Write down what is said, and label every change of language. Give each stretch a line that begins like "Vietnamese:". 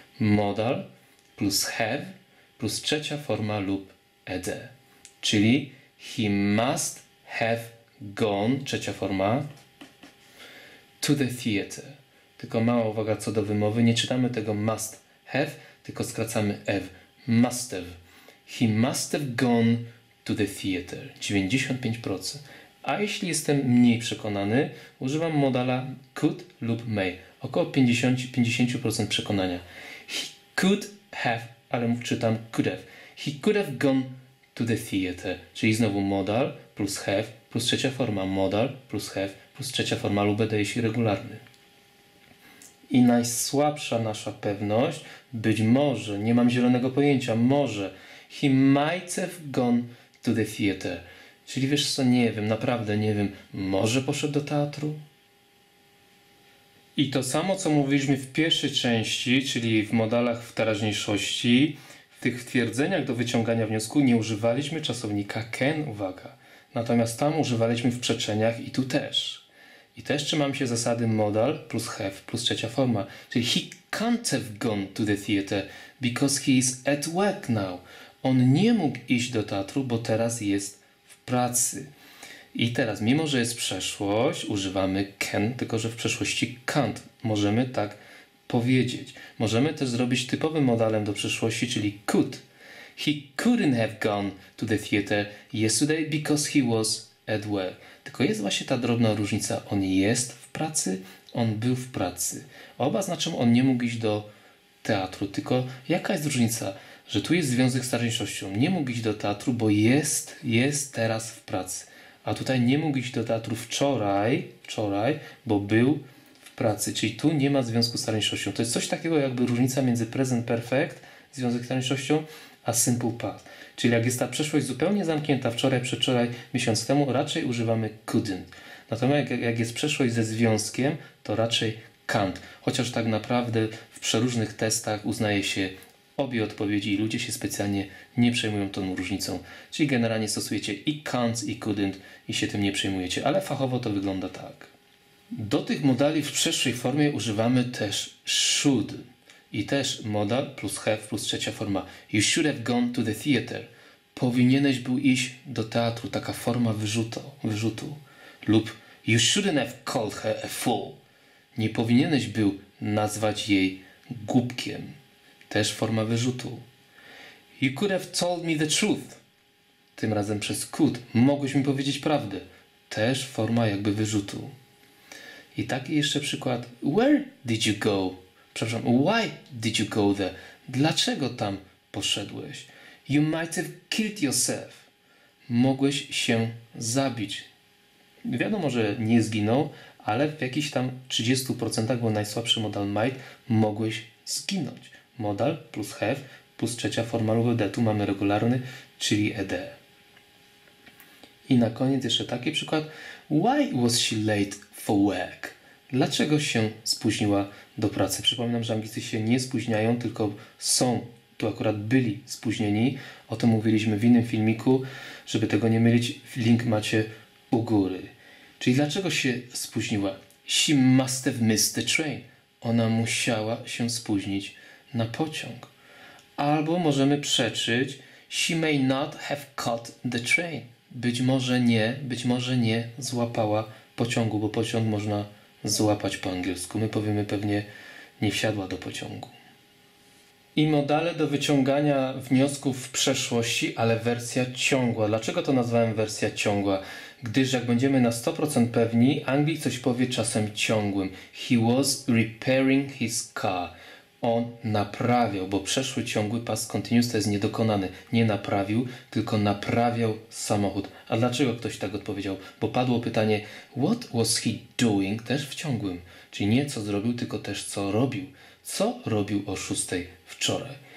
Polish: Modal plus have plus trzecia forma lub ed. Czyli
English: he must have gone,
Polish: trzecia forma,
English: to the theater.
Polish: Tylko mała uwaga co do wymowy. Nie czytamy tego
English: must have,
Polish: tylko skracamy ev.
English: Must have. He must have gone to the theater.
Polish: 95%. A jeśli jestem mniej przekonany, używam modala could lub may. Około 50% przekonania.
English: He could have,
Polish: ale czytam
English: could have. He could have gone to the theater.
Polish: Czyli znowu modal plus have plus trzecia forma. Modal plus have plus trzecia forma lub ed, jeśli regularny. I najsłabsza nasza pewność, być może, nie mam zielonego pojęcia, może.
English: He might have gone to the theater.
Polish: Czyli wiesz co, nie wiem, naprawdę nie wiem, może poszedł do teatru? I to samo, co mówiliśmy w pierwszej części, czyli w modalach w teraźniejszości, w tych twierdzeniach do wyciągania wniosku nie używaliśmy czasownika can, uwaga. Natomiast tam używaliśmy w przeczeniach i tu też. I też trzymam się zasady modal plus have plus trzecia forma.
English: Czyli he can't have gone to the theater because he is at work now.
Polish: On nie mógł iść do teatru, bo teraz jest w pracy. I teraz, mimo że jest przeszłość, używamy can, tylko że w przeszłości can't. Możemy tak powiedzieć. Możemy też zrobić typowym modalem do przeszłości, czyli could.
English: He couldn't have gone to the theater yesterday because he was at work.
Polish: Tylko jest właśnie ta drobna różnica. On jest w pracy, on był w pracy. Oba znaczą, on nie mógł iść do teatru. Tylko jaka jest różnica? Że tu jest związek z teraźniejszością. Nie mógł iść do teatru, bo jest teraz w pracy. A tutaj nie mógł iść do teatru wczoraj, bo był w pracy. Czyli tu nie ma związku z teraźniejszością. To jest coś takiego jakby różnica między present perfect, związek z teraźniejszością, a simple past. Czyli jak jest ta przeszłość zupełnie zamknięta, wczoraj, przedwczoraj, miesiąc temu, raczej używamy couldn't. Natomiast jak jest przeszłość ze związkiem, to raczej can't. Chociaż tak naprawdę w przeróżnych testach uznaje się obie odpowiedzi i ludzie się specjalnie nie przejmują tą różnicą. Czyli generalnie stosujecie i can't, i couldn't i się tym nie przejmujecie. Ale fachowo to wygląda tak. Do tych modali w przeszłej formie używamy też should. I też modal plus have plus trzecia forma.
English: You should have gone to the theater.
Polish: Powinieneś był iść do teatru. Taka forma wyrzutu.
English: Lub you shouldn't have called her a fool.
Polish: Nie powinieneś był nazwać jej głupkiem. Też forma wyrzutu.
English: You could have told me the truth.
Polish: Tym razem przez could. Mogłeś mi powiedzieć prawdę. Też forma jakby wyrzutu. I taki jeszcze przykład.
English: Where did you go? Przepraszam, why did you go there?
Polish: Dlaczego tam poszedłeś?
English: You might have killed yourself.
Polish: Mogłeś się zabić. Wiadomo, że nie zginął, ale w jakiś tam 30%, bo najsłabszy modal might, mogłeś zginąć. Modal plus have plus trzecia forma lub ed. Tu mamy regularny, czyli ed. I na koniec jeszcze taki przykład.
English: Why was she late for work?
Polish: Dlaczego się spóźniła do pracy? Przypominam, że Anglicy się nie spóźniają, tylko są, tu akurat byli spóźnieni. O tym mówiliśmy w innym filmiku. Żeby tego nie mylić, link macie u góry. Czyli dlaczego się spóźniła?
English: She must have missed the train.
Polish: Ona musiała się spóźnić na pociąg. Albo możemy przeczyć:
English: She may not have caught the train.
Polish: Być może nie złapała pociągu, bo pociąg można złapać po angielsku. My powiemy pewnie: nie wsiadła do pociągu. I modale do wyciągania wniosków w przeszłości, ale wersja ciągła. Dlaczego to nazwałem wersja ciągła? Gdyż jak będziemy na 100% pewni, Anglik coś powie czasem ciągłym.
English: He was repairing his car.
Polish: On naprawiał, bo przeszły ciągły past continuous to jest niedokonany. Nie naprawił, tylko naprawiał samochód. A dlaczego ktoś tak odpowiedział? Bo padło pytanie,
English: what was he doing,
Polish: też w ciągłym. Czyli nie co zrobił, tylko też co robił. Co robił o 6 wczoraj?